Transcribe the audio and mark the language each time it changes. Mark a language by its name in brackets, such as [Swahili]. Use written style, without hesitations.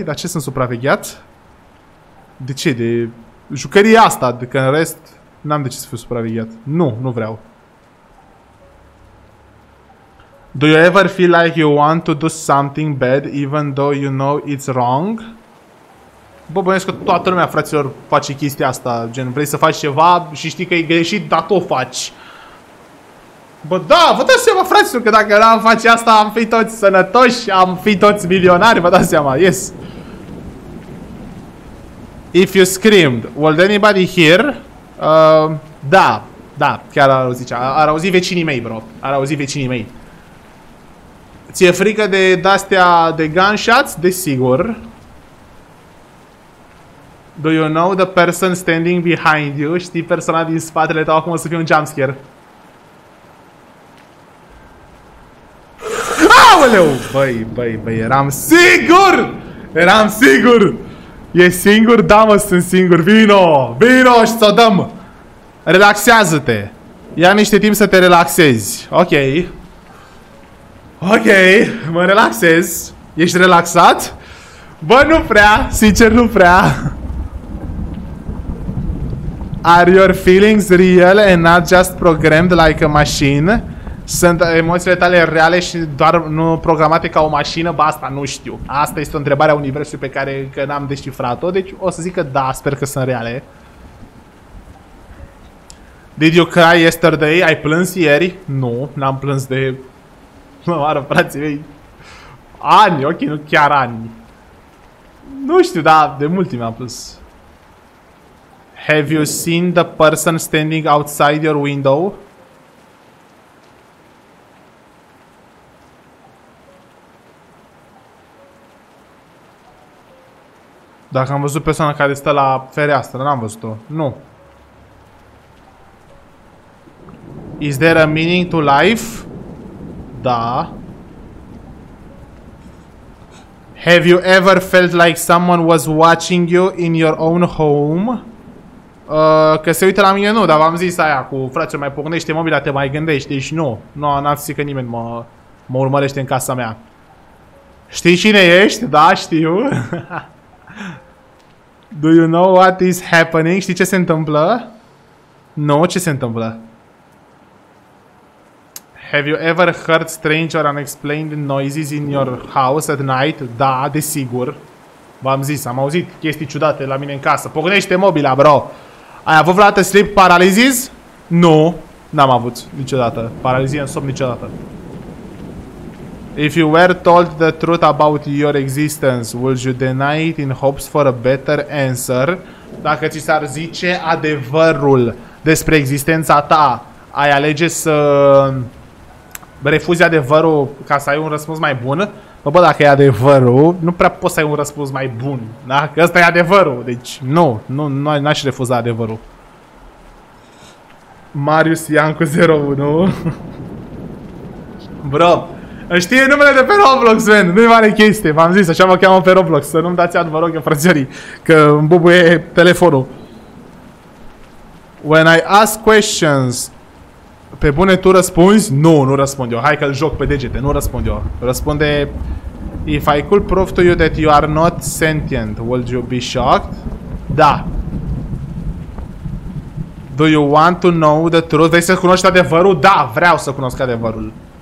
[Romanian] Dar ce sunt supravegheat? De ce? De jucăria asta, de că în rest n-am de ce să fiu supravegheat. Nu, nu vreau. [English] Do you ever feel like you want to do something bad even though you know it's wrong? [Romanian] Bă, bănuiesc că toată lumea, fraților, face chestia asta. Gen, vrei să faci ceva și știi că e greșit, dar tu o faci. Bă, da, vă dați seama, fraților, că dacă n-am face asta, am fi toți sănătoși, am fi toți milionari, vă dați seama, yes. [English] If you screamed, would anybody hear? [Romanian] Da, da, chiar ar auzi vecinii mei, bro, ar auzi vecinii mei. Ți-e frică de astea de gunshots? Desigur. [English] Do you know the person standing behind you? [Romanian] Știi persoana din spatele tău, acum o să fie un jumpscare. Aoleu! Băi, eram sigur! Eram sigur! E singur? Da, mă, sunt singur. Vino și ți-o dăm! Relaxează-te! Ia niște timp să te relaxezi. Ok. Ok, mă relaxez. Ești relaxat? Bă, nu prea. Sincer, nu prea. [English] Are your feelings real and not just programmed like a machine? [Romanian] Sunt emoțiile tale reale și doar nu programate ca o mașină? Ba, asta nu știu. Asta este o întrebare a universului pe care încă n-am descifrat-o. Deci o să zic că da, sper că sunt reale. [English] Did you cry yesterday? [Romanian] Ai plâns ieri? Nu, n-am plâns de... Mă oară, frații mei. Ani, ok, nu chiar ani. Nu știu, dar de mult timp am plâns. [English] Have you seen the person standing outside your window? [Romanian] Dacă am văzut persoana care stă la fereastră, n-am văzut-o. Nu. [English] Is there a meaning to life? [Romanian] Da. [English] Have you ever felt like someone was watching you in your own home? [Romanian] Că se uită la mine, nu, dar v-am zis aia cu frate, mai pocnește mobila, te mai gândești. Deci nu, nu, n-am zis că nimeni mă urmărește în casa mea. Știi cine ești? Da, știu. [English] Do you know what is happening? [Romanian] Știi ce se întâmplă? Nu, ce se întâmplă? [English] Have you ever heard strange or unexplained noises in your house at night? [Romanian] Da, desigur. V-am zis, am auzit chestii ciudate la mine în casă. Pocnește mobila, bro. Ai avut vreodată sleep paralysis? Nu, n-am avut niciodată. Paralizie în somn niciodată. [English] If you were told the truth about your existence, would you deny it in hopes for a better answer? [Romanian] Dacă ți s-ar zice adevărul despre existența ta, ai alege să refuzi adevărul ca să ai un răspuns mai bun? Bă, bă, dacă e adevărul, nu prea poți să ai un răspuns mai bun, da? Că ăsta e adevărul, deci nu, n-aș refuza adevărul. Marius Iancu 01. Bro, știe numele de pe Roblox, man, nu-i mare chestie, v-am zis, așa mă cheamă pe Roblox, să nu-mi dați ad, vă rog, frățării, că îmi bubuie telefonul. [English] When I ask questions, [Romanian] pe bune tu răspunzi? Nu răspund eu, hai că-l joc pe degete, nu răspund eu. Răspunde, [English] if I could prove to you that you are not sentient, would you be shocked? [Romanian] Da. [English] Do you want to know the truth? [Romanian] Vrei să cunoști adevărul? Da, vreau să cunosc adevărul.